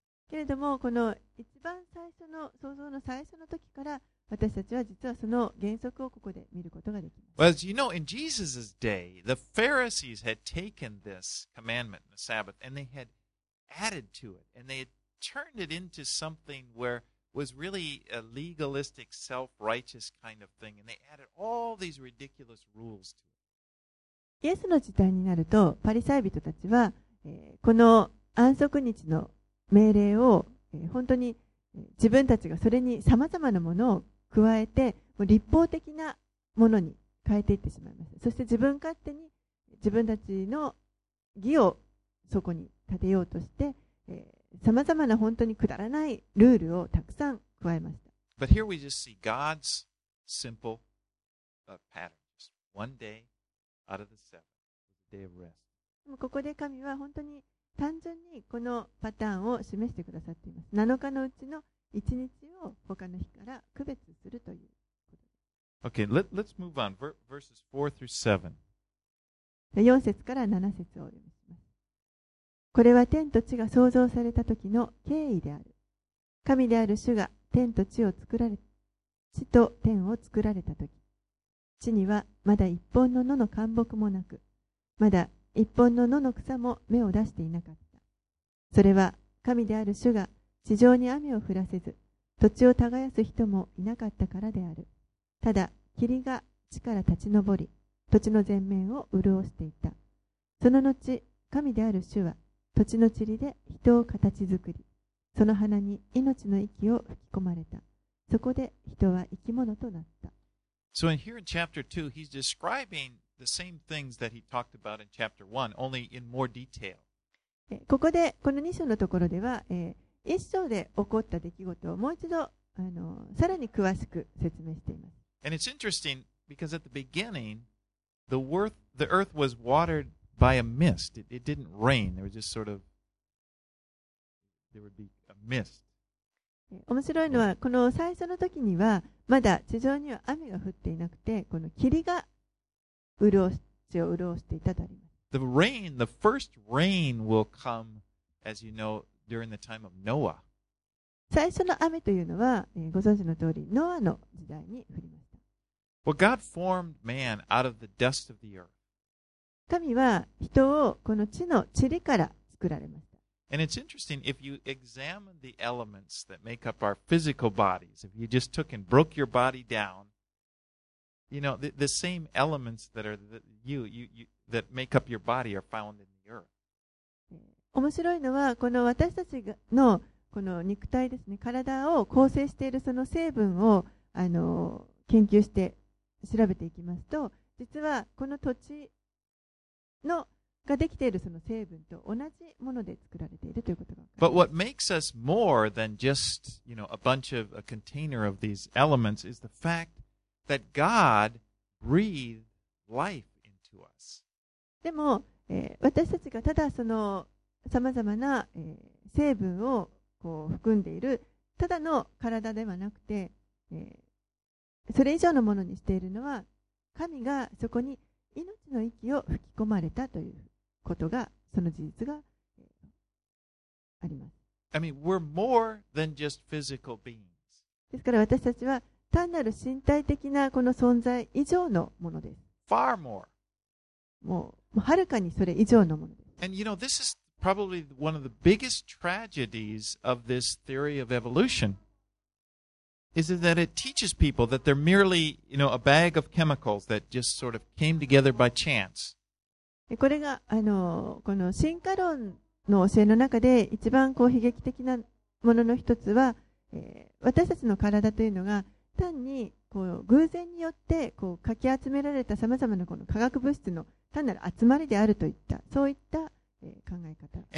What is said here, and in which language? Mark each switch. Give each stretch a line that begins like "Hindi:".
Japanese: けれども、この一番最初の創造の最初の時から、私たちは実はその原則をここで見ることができます。
English: Well, as you know, in Jesus' day, the Pharisees had taken this commandment, the Sabbath, and they had added to it, and they hadturned it into something where was really a legalistic, self-righteous kind of thing, and they added all these ridiculous rules to it.
Japanese: イエスの時代になると、パリサイ人たちは、この安息日の命令を、本当に自分たちがそれにさまざまなものを加えて、もう立法的なものに変えていってしまいます。そして自分勝手に自分たちの義をそこに立てようとして、さまざまな本当にくだらないルールをたくさん加えました。
English: But here we just see God's simple pattern. Just one day out of the seven, the day of rest.
Japanese: ここで神は本当に単純にこのパターンを示してくださっています。7日のうちの1日を他の日から区別するということです。
English: Okay, let's move on. Verses 4 through 7.
Japanese: 4節から7節を読みます。これは天と地が創造された時の経緯である。神である主が天と地を作られ、地と天を作られた時、地にはまだ一本の野の灌木もなく、まだ一本の野の草も芽を出していなかった。それは神である主が地上に雨を降らせず、土地を耕す人もいなかったからである。ただ霧が地から立ち上り、土地の全面を潤していた。その後、神である主は土地の塵で人を形作り、その鼻に命の息を吹き込まれた。そこで人は生き物となった。
English: So in here in chapter 2, he's describing the same things that he talked about in chapter 1, only in more detail.
Japanese: ここで、この2章のところでは、1章で起こった出来事をもう一度、さらに詳しく説明しています。
English: And it's interesting because at the beginning, the earth was watered by a mist. It didn't rain. There was just sort of, there would be a mist.
Japanese: 面白いのはこの最初の時にはまだ地上には雨が降っていなくてこの霧が地を潤していたとあります。
English: The rain, the first rain will come, as you know, during the time of Noah.
Japanese: 最初の雨というのは、ご存知の通りノアの時代に降りました。
English: Well, God formed man out of the dust of the earth.
Japanese: 神は人をこの地の塵から作られました。
English: And it's interesting, if you examine the elements that make up our physical bodies, if you just took and broke your body down, you know, the same elements that are you that make up your body are found in the earth.
Japanese: 面白いのは、この私たちのこの肉体ですね、体を構成しているその成分を研究して調べていきますと、実はこの土地のができているその成分と同じもので作られているということが分かります。
English: But what makes us more than just, you know, a bunch of a container of these elements is the fact that God breathed life into us.
Japanese: でも、私たちがただそのさまざまな、成分をこう含んでいるただの体ではなくて、それ以上のものにしているのは神がそこに命の息を吹き込まれたという。ことがその事実があります。
English: I mean, we're more than just physical beings.
Japanese: ですから私たちは単なる身体的なこの存在以上のものです。
English: Far more.
Japanese: もうはるかにそれ以上のものです。
English: And you know, this is probably one of the biggest tragedies of this theory of evolution. Is that it teaches people that they're merely, you know, a bag of chemicals that just sort of came together by chance.
Japanese: これがこの進化論の教えの中で一番こう悲劇的なものの一つは、私たちの体というのが単にこう偶然によってこうかき集められたさまざまなこの化学物質の単なる集まりであるといったそういった、考え方。